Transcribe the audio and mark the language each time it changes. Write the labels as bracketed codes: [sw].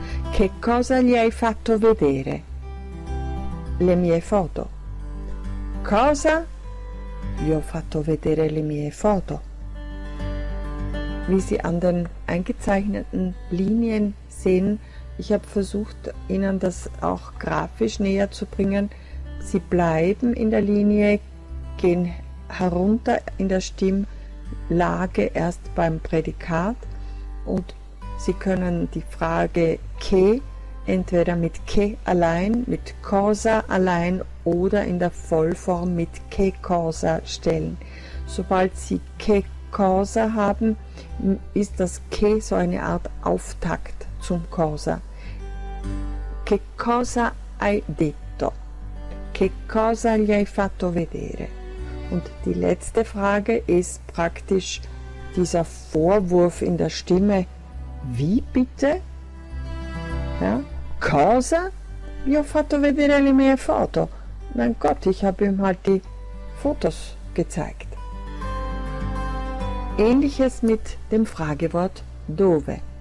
[it] Che cosa gli hai fatto vedere? Le mie foto. Cosa? Gli ho fatto vedere le mie foto. [de] Wie Sie an den eingezeichneten Linien sehen, ich habe versucht, Ihnen das auch grafisch näher zu bringen. Sie bleiben in der Linie, gehen herunter in der Stimmlage erst beim Prädikat und Sie können die Frage che entweder mit che allein, mit cosa allein oder in der Vollform mit che cosa stellen. Sobald Sie che cosa haben, ist das che so eine Art Auftakt zum cosa. [it] Che cosa hai detto? Che cosa gli hai fatto vedere? [de] Und die letzte Frage ist praktisch dieser Vorwurf in der Stimme. Wie bitte? Ja? Cosa? [it] Gli ho fatto vedere le mie foto. [de] Mein Gott, ich habe ihm halt die Fotos gezeigt. Ähnliches mit dem Fragewort dove.